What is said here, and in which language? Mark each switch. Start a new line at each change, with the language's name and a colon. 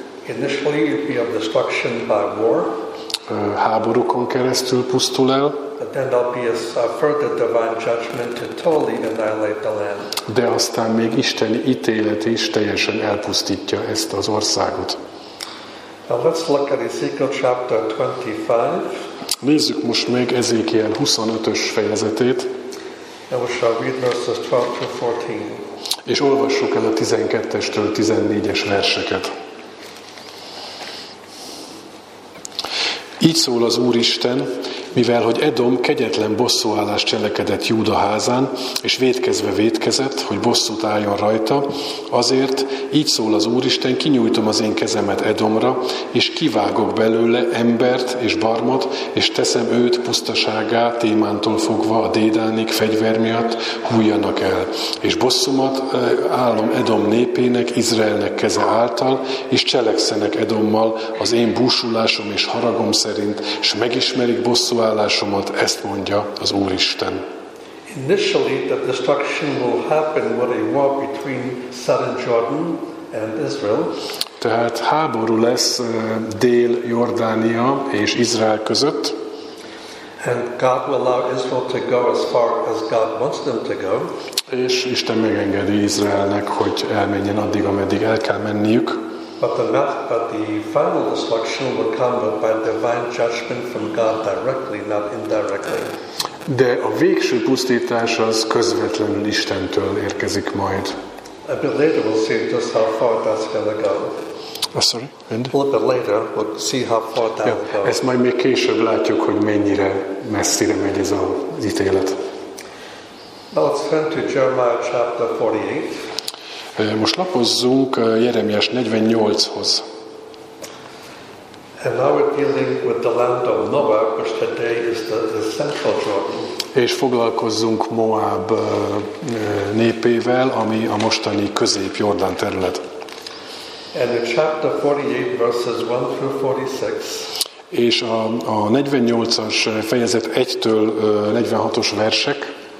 English: initially it would be of destruction by war.
Hungarian: Háborúkon keresztül pusztul el.
English: But then there'll be a further divine judgment to totally annihilate the land.
Hungarian: De aztán még isteni ítélet is teljesen elpusztítja ezt az országot.
English: Now let's look at Ezekiel chapter 25.
Hungarian: Nézzük most meg Ezekiel 25-ös fejezetét.
English: And we shall read verses 12-14.
Hungarian: És olvassuk el a 12-estől 14-es verseket. Így szól az Úristen, mivel hogy Edom kegyetlen bosszúállást cselekedett Júda házán, és vétkezve vétkezett, hogy bosszút álljon rajta, azért így szól az Úristen, kinyújtom az én kezemet Edomra, és kivágok belőle embert és barmat, és teszem őt pusztaságá, Témántól fogva a Dédánig fegyver miatt hújjanak el. És bosszumat állom Edom népének, Izraelnek keze által, és cselekszenek Edommal az én búsulásom és haragom szerint, s megismerik bosszúállásomat, ezt mondja az Úristen.
English: Initially the destruction will happen with a war between southern Jordan and Israel.
Hungarian: Tehát háború lesz Dél-Jordánia és Izrael között.
English: And God will allow Israel to go as far as God wants them to go.
Hungarian: És Isten megengedi Izraelnek, hogy elmenjen addig, ameddig el kell menniük.
English: But the final destruction will come by divine judgment from God directly, not indirectly.
Hungarian: De a végső pusztítás az közvetlenül Istentől érkezik majd.
English: A bit later we'll see just how far that's going to go. A little bit later we'll see how far that will go.
Hungarian: Ezt majd még később látjuk, hogy mennyire messzire megy ez az ítélet.
English: Now let's turn to Jeremiah chapter 48.
Hungarian: Most lapozzunk Jeremiás 48-hoz.
English: And now we're dealing with the land of Moab, which today is the central Jordan.
Hungarian: És foglalkozzunk Moab népével, ami a mostani Közép-Jordán terület.
English: And in chapter 48, verses 1-46.
Hungarian: És a 48-as fejezet 1-től 46-os versek.